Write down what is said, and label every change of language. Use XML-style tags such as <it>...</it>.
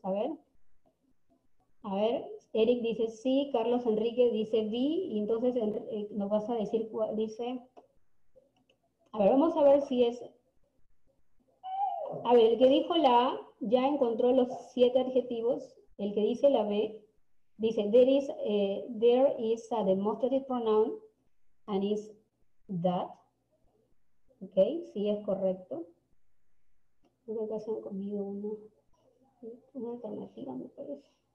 <es>A ver, Eric dice sí, Carlos Enrique dice B, y entonces nos vas a decir cuál dice. A ver, vamos a ver si es... A ver, el que dijo la A ya encontró los siete adjetivos. El que dice la B dice,</es> <en>there is a demonstrative pronoun and is that.</en> <es>Ok, sí es correcto. Creo que se han comido una alternativa, me parece.</es>